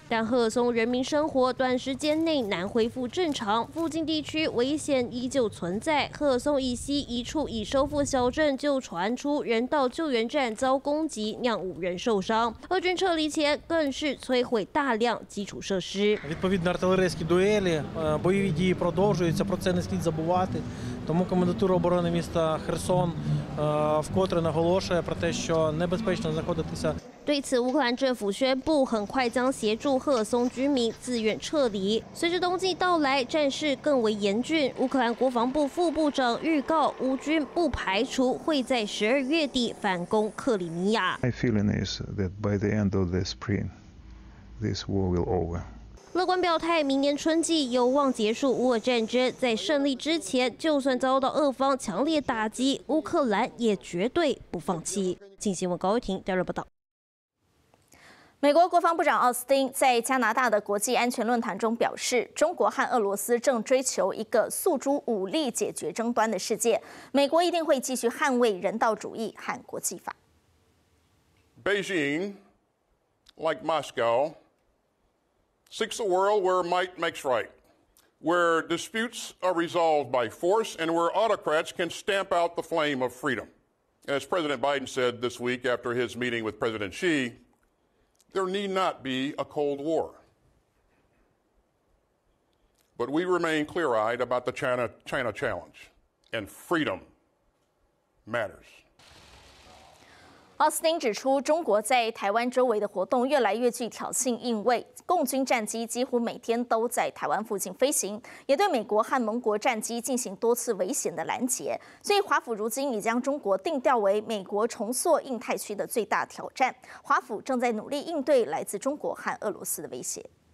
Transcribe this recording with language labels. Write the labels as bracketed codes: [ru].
[zh] 但赫尔松人民生活短时间内难恢复正常，附近地区危险依旧存在。赫尔松以西一处已收复小镇就传出人道救援站遭攻击，酿五人受伤。俄军撤离前更是摧毁大量基础设施。 [uk] відповідно артилерійські дуелі, бойові дії продовжуються, про це не слід забувати. Тому командатура оборони міста Херсон вкотре наголошує про те, що небезпечно знаходитися. [zh] 对此，乌克兰政府宣布很快将协助赫尔松居民自愿撤离。随着冬季到来，战事更为严峻。乌克兰国防部副部长预告，乌军不排除会在12月底反攻克里米亚。 [en] My feeling is that by the end of the spring, this war will over. [zh] 乐观表态，明年春季有望结束乌俄战争。在胜利之前，就算遭到俄方强烈打击，乌克兰也绝对不放弃。请新闻高玉婷带来报道。美国国防部长奥斯汀在加拿大的国际安全论坛中表示，中国和俄罗斯正追求一个诉诸武力解决争端的世界，美国一定会继续捍卫人道主义和国际法。 [en] Beijing, like Moscow. Seeks a world where might makes right, where disputes are resolved by force, and where autocrats can stamp out the flame of freedom. As President Biden said this week after his meeting with President Xi, there need not be a Cold War. But we remain clear-eyed about the China challenge, and freedom matters. [zh] 奥斯汀指出，中国在台湾周围的活动越来越具挑衅意味，共军战机几乎每天都在台湾附近飞行，也对美国和盟国战机进行多次危险的拦截，所以华府如今已将中国定调为美国重塑印太区的最大挑战，华府正在努力应对来自中国和俄罗斯的威胁。